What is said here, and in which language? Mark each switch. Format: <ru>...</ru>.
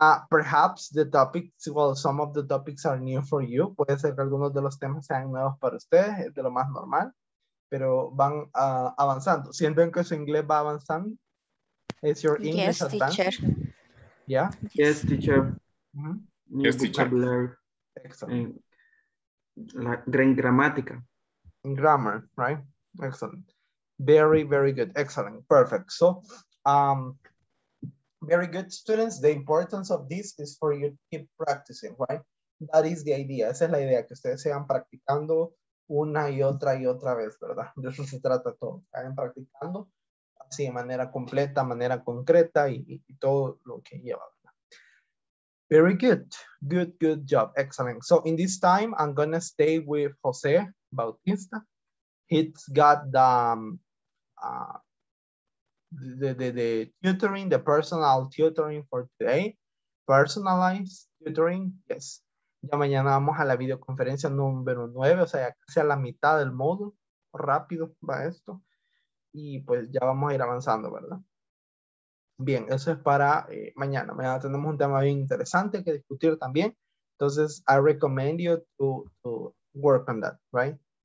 <en>Perhaps the topics, well, some of the topics are new for you.</en> <es>Puede ser que algunos de los temas sean nuevos para ustedes. Es de lo más normal. Pero van avanzando. ¿Sienten que su inglés va avanzando?</es> <en>Is your English advanced? Yes, teacher. Yeah? Yes, teacher. Mm-hmm. Yes, teacher. Excellent.</en> <es>La gramática.</es> <en>Grammar, right? Excellent. Very, very good. Excellent. Perfect. So, very good, students. The importance of this is for you to keep practicing, right? That is the idea.</en> <es>Esa es la idea, que ustedes sean practicando una y otra vez, ¿verdad? De eso se trata todo. Están practicando así de manera completa, manera concreta y todo lo que lleva, ¿verdad?</es> <en>Very good. Good, good job. Excellent. So in this time, I'm going to stay with Jose Bautista. He's got the tutoring, the personal tutoring for today. Personalized tutoring, yes.</en> <es>Ya mañana vamos a la videoconferencia número 9, o sea, ya casi a la mitad del módulo. Rápido va esto. Y pues ya vamos a ir avanzando, ¿verdad? Bien, eso es para mañana. Mañana tenemos un tema bien interesante que discutir también. Entonces,</es> <en>I recommend you to work on that, right?</en>